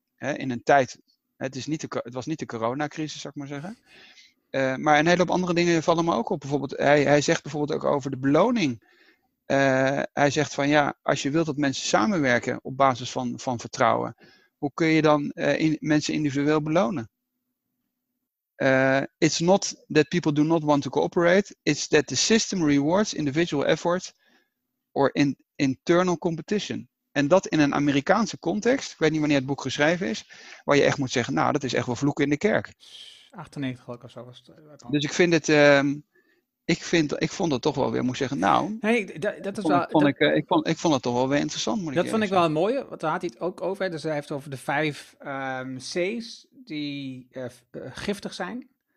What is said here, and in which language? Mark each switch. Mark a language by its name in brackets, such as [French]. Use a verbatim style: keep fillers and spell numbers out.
[Dutch] Hè, in een tijd, het, is niet de, het was niet de coronacrisis, zou ik maar zeggen. Uh, maar een hele hoop andere dingen vallen me ook op. Bijvoorbeeld, hij, hij zegt bijvoorbeeld ook over de beloning. Uh, hij zegt van ja, als je wilt dat mensen samenwerken op basis van, van vertrouwen. Hoe kun je dan uh, in, mensen individueel belonen? [English] Uh, it's not that people do not want to cooperate. It's that the system rewards individual effort or in, internal competition. [Dutch] En dat in een Amerikaanse context. Ik weet niet wanneer het boek geschreven is. Waar je echt moet zeggen, nou dat is echt wel vloeken in de kerk. achtennegentig ook of zo was het. Dus ik vind het, um, ik, vind, ik vond het toch wel weer, moet ik zeggen, nou, nee, dat, dat is vond, wel, vond dat, ik, uh, ik, vond, ik vond het toch wel weer interessant. Moet ik dat vond ik wel een mooie, want daar had hij het ook over. Hè. Dus hij heeft over de vijf um, C's die uh, uh, giftig zijn.